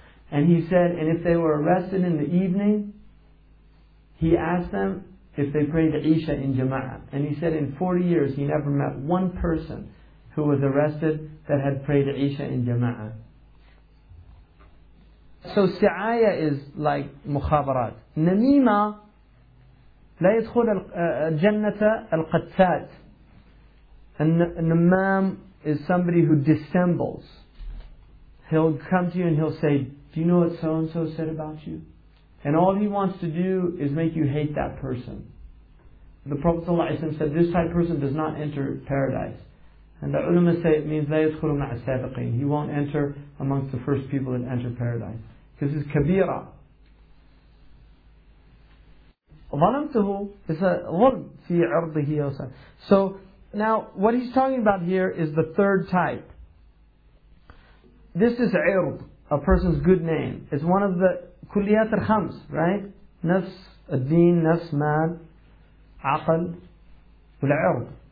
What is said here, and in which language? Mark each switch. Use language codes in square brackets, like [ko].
[en] And he said, and if they were arrested in the evening, he asked them if they prayed Isha in Jama'ah. And he said in 40 years, he never met one person who was arrested that had prayed Isha in Jama'ah. So Si'aya is like Mukhabarat. [ar] Namima, لا يدخل الجنة القتات. [en] And Namam is somebody who dissembles. He'll come to you and he'll say, do you know what so-and-so said about you? And all he wants to do is make you hate that person. The Prophet ﷺ said, this type of person does not enter paradise. And the ulama say it means, [ar] لا يدخل مع السابقين. [en] He won't enter amongst the first people that enter paradise. Because it's kabira. [ar] ظَلَمْتُهُ is a ظُلْم فِي عَرْضِهِ. [en] So, now, what he's talking about here is the third type. This is عِرْض, a person's good name. It's one of the كُلِّيَاتِ الْخَمْسِ, right? [ar] نَفْس, الدِّين, نَفْس, مَال, عَقَل, وَالْعِرْض.